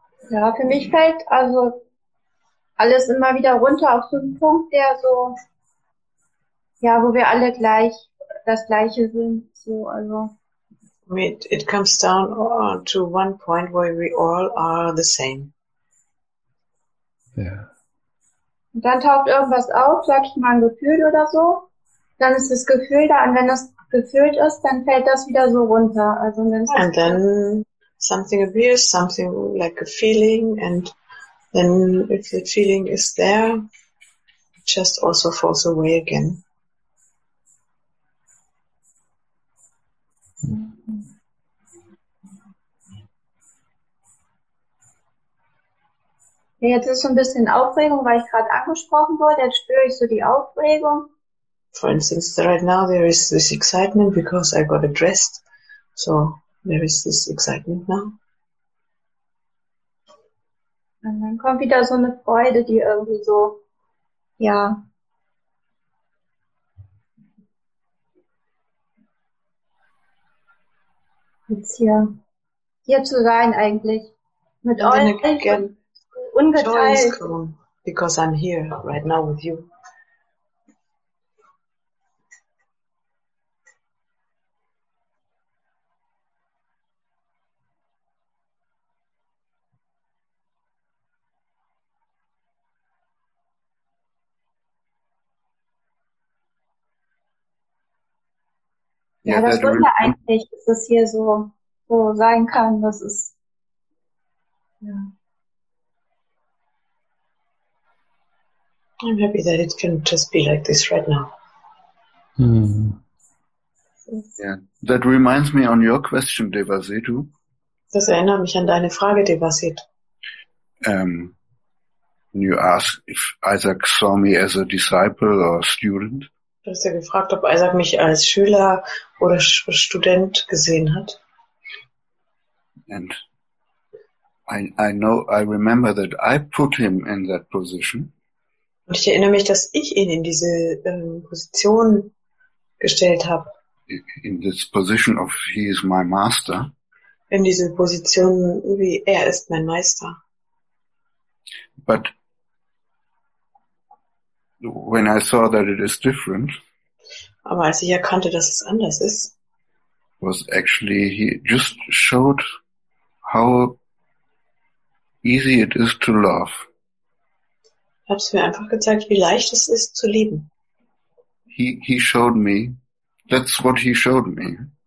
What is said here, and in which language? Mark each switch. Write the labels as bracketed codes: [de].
[de] Ja, für mich fällt also alles immer wieder runter auf so einen Punkt, der so, ja, wo wir alle gleich das Gleiche sind. So, also. [en] It comes down to one point where we all are the same. Yeah. [de] Und dann taucht irgendwas auf, sag ich mal ein Gefühl oder so. Dann ist das Gefühl da, und wenn das gefühlt ist, dann fällt das wieder so runter. Also wenn es [en] and then something appears, something like a feeling, and then if the feeling is there, it just also falls away again. [de] Jetzt ist so ein bisschen Aufregung, weil ich gerade angesprochen wurde. Jetzt spüre ich so die Aufregung. [en] For instance, right now there is this excitement because I got addressed. So there is this excitement now. [de] Und dann kommt wieder so eine Freude, die irgendwie so, ja. Jetzt hier zu sein eigentlich. Mit euch. [en] Joy is coming because I'm here right now with you. [de] Ja, das Wunder eigentlich, dass das hier so sein kann, das ist ja. [en] I'm happy that it can just be like this right now. Mm. Yeah, that reminds me on your question, Devasetu. [de] Das erinnert mich an deine Frage, Devasetu. [en] You asked if Isaac saw me as a disciple or student. [de] Du hast ja gefragt, ob Isaac mich als Schüler oder Student gesehen hat. [en] And I know, I remember that I put him in that position. [de] Und ich erinnere mich, dass ich ihn in diese Position gestellt habe. [en] In this position of he is my master. [de] In diese Position, wie er ist mein Meister. [en] But when I saw that it is different. [de] Aber als ich erkannte, dass es anders ist. [en] Was actually he just showed how easy it is to love. [de] Hat es mir einfach gezeigt, wie leicht es ist zu lieben. [en] He showed me. That's what he showed me.